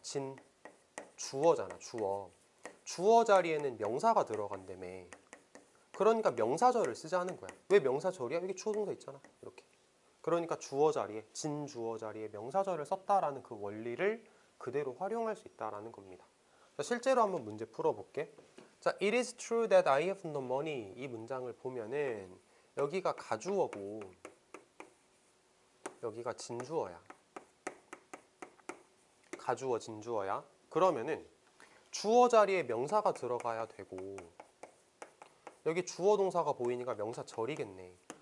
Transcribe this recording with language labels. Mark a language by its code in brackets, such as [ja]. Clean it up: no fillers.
[ko] 진 주어잖아. 주어. 주어 자리에는 명사가 들어간다며. 그러니까 명사절을 쓰자는 거야. 왜 명사절이야? 여기 초동사 있잖아. 이렇게. 그러니까 주어 자리에 진 주어 자리에 명사절을 썼다라는 그 원리를 그대로 활용할 수 있다라는 겁니다. 자, 실제로 한번 문제 풀어 볼게. [en] 자, it is true that I have no money. [ko] 이 문장을 보면은 여기가 가주어고 여기가 진주어야. 가주어 진주어야. 그러면은 주어 자리에 명사가 들어가야 되고 여기 주어 동사가 보이니까 명사절이겠네.